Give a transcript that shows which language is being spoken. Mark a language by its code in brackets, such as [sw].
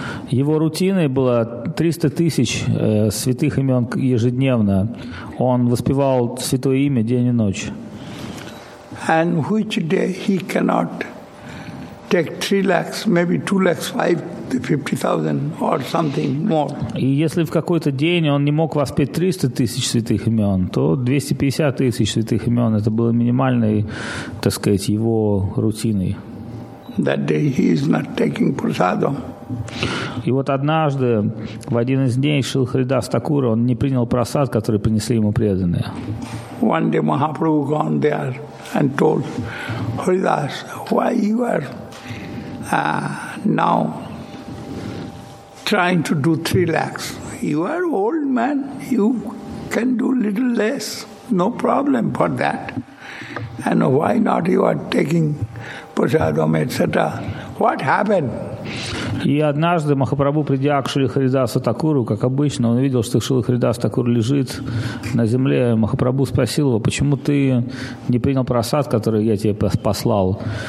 [ru] Его рутиной было 300 тысяч святых имен ежедневно. Он воспевал святое имя день и ночь. [en] And which day he cannot take 3 lakhs, maybe 2 lakhs, 50,000 or something more. [ru] И если в какой-то день он не мог воспеть 300 тысяч святых имен, то 250 тысяч святых имен это было минимальной, так сказать, его рутиной. [en] That day he is not taking prasadam. [ru] И вот однажды, в один из дней, Шрила Харидас Такура, он не принял прасад, который принесли ему преданные. [en] One day Mahaprabhu gone there and told Haridas, why you are now trying to do 3 lakhs? You are old man, you can do little less, no problem for that. And why not you are taking prasadam, etc.? What happened? [ru] И однажды Махапрабху, придя к Шрила Харидаса Такуру, как обычно, он увидел, что Шрила Харидас Такур лежит на земле. Махапрабху спросил его, почему ты не принял прасад, который я тебе послал?